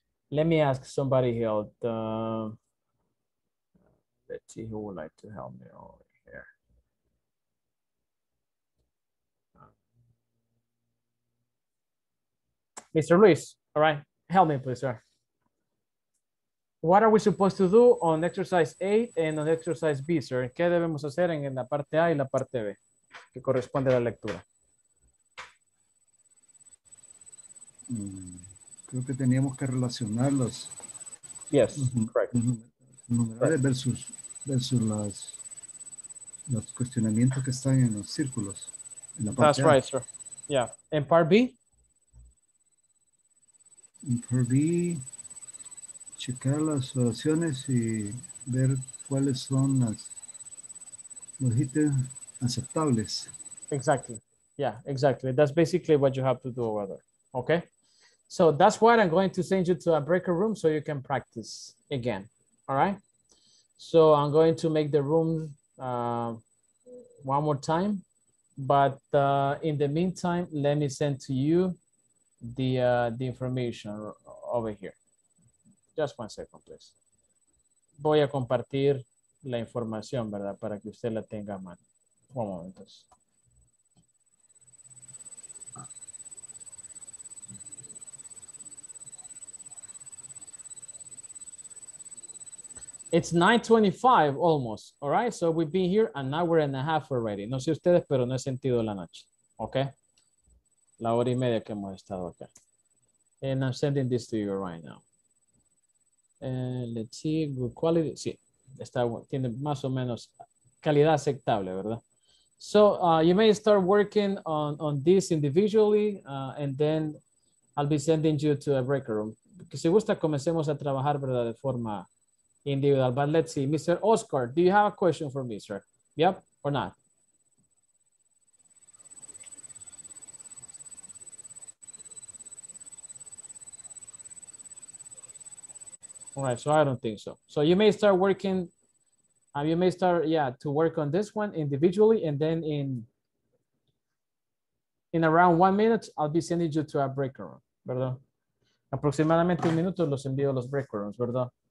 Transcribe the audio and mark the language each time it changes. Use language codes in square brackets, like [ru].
[en] Let me ask somebody here. Let's see who would like to help me over here. Mr. Luis, all right, help me please, sir. What are we supposed to do on exercise A and on exercise B, sir? [es] ¿Qué debemos hacer en la parte A y la parte B que corresponde a la lectura? Creo que teníamos que relacionarlos. [en] Yes, correct. [es] Numerales versus... versus los cuestionamientos que están en los círculos. En la parte [en] That's A. Right, sir. Yeah. ¿En part B? [es] En part B, checar las oraciones y ver cuáles son los ítems aceptables. [en] Exactly. Yeah, exactly. That's basically what you have to do over there. Okay? So that's why I'm going to send you to a breaker room so you can practice again. All right? So I'm going to make the room one more time, but in the meantime, let me send to you the information over here. Just one second, please. [es] Voy a compartir la información, ¿verdad? Para que usted la tenga a mano. [en] One moment, please. It's 9:25 almost, all right? So we've been here an hour and a half already. [es] No sé ustedes, pero no he sentido la noche, okay? La hora y media que hemos estado acá. [en] And I'm sending this to you right now. Let's see, good quality. [es] Sí, está, tiene más o menos calidad aceptable, ¿verdad? [en] So you may start working on this individually and then I'll be sending you to a break room. [es] Que si gusta, comencemos a trabajar, ¿verdad? De forma... individual, [en] but let's see. [es] Mr. [en] Oscar, do you have a question for me, sir? Yep, or not? All right, so I don't think so. So you may start working, you may start, yeah, to work on this one individually, and then in around 1 minute, I'll be sending you to a break room, ¿verdad? [es] Aproximadamente un minuto los envío a los break rooms, ¿verdad?